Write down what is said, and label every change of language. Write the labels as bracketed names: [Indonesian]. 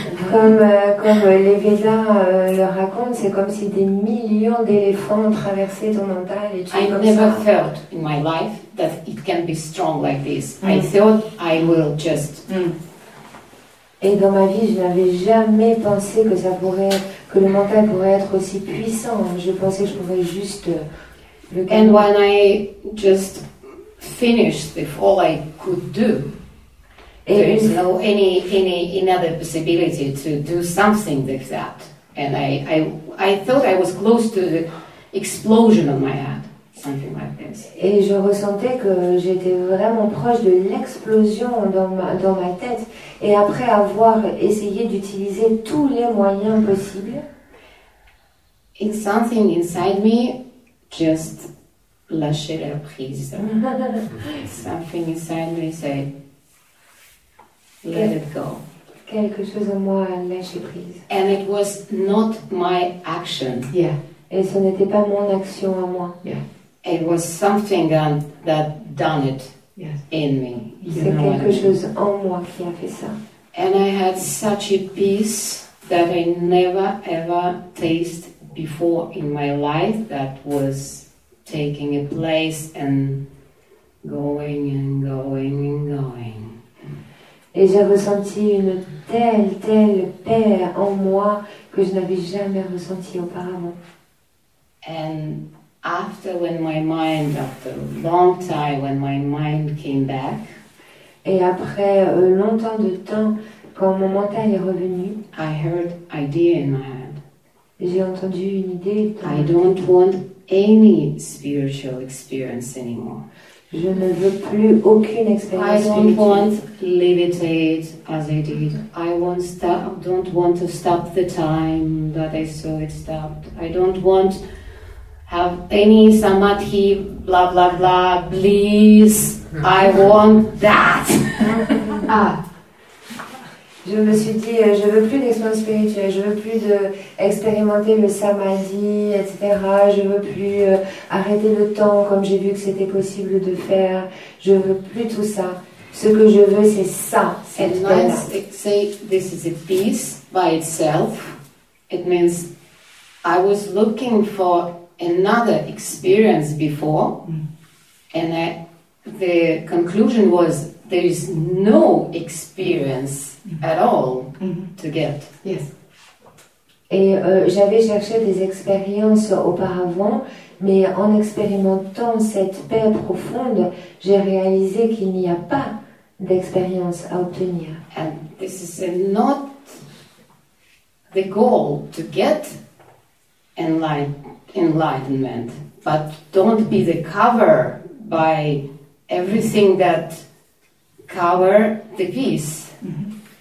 [French] comme les Védas le racontent, c'est comme si des millions d'éléphants traversaient ton mental et tu [English] I [French] comme [English] never [French] ça. [English] Felt in my life that it can be strong like this. Mm. I thought I will just. Mm. [French] Et dans ma vie, je n'avais jamais pensé que ça pourrait, que le mental pourrait être aussi puissant. Je pensais que je pourrais juste le calmer. [English] And when I just finished before I could do. There is no any other possibility to do something like that. And I thought I was close to the explosion of my head, something like this. [French] Et je ressentais que j'étais vraiment proche de l'explosion dans ma tête. Et après avoir essayé d'utiliser tous les moyens possibles, [English] it's something inside me just [French] lâcher la prise. [English] Something inside me said, let it go. [French] Quelque chose en moi a lâché prise. [English] And it was not my action. Yeah. [French] Et ce n'était pas mon action à moi. [English] Yeah. It was something that done it in me. [French] C'est quelque chose en moi qui a fait ça. [English] And I had such a peace that I never ever tasted before in my life that was taking a place and going and going and going. [French] Et j'ai ressenti une telle paix en moi que je n'avais jamais ressenti auparavant. [English] And after when my mind, after a long time, when my mind came back, [French] et après longtemps de temps, quand mon mental est revenu, [English] I heard idea in my head. [French] J'ai entendu une idée. [English] I don't want any spiritual experience anymore. [French] Je ne veux plus aucune expérience. [English] I don't want levitate as I did. I won't stop. Don't want to stop the time that I saw it stopped. I don't want have any samadhi. Blah blah blah. Please, I want that. [French] Je me suis dit, je veux plus d'expérience spirituelle. Je veux plus expérimenter le samadhi, etc. Je veux plus arrêter le temps comme j'ai vu que c'était possible de faire. Je veux plus tout ça. Ce que je veux, c'est ça. [English] It means say this is a peace by itself. It means I was looking for another experience before, and the conclusion was there is no experience at all to get. Yes. [French] Et j'avais cherché des expériences auparavant, mais en expérimentant cette paix profonde, j'ai réalisé qu'il n'y a pas d'expérience à obtenir. [English] And this is not the goal to get enlightenment, but don't be the cover by everything that cover the peace. Mm-hmm.